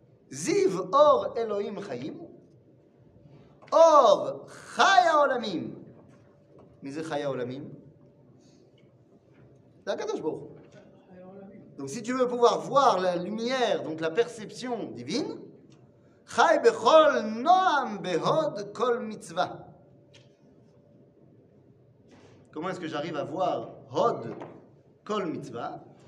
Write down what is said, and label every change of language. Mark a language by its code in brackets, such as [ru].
[he] Ziv or Elohim chayim, or chaya olamim. [fr] Mais c'est [he] chaya olamim? [fr] C'est HaKadosh Baruch Hu. Donc, si tu veux pouvoir voir la lumière, donc la perception divine, [he] חי בכל נועם בהוד כל מצווה. [fr] Comment est-ce que j'arrive à voir [he] hod kol mitzvah?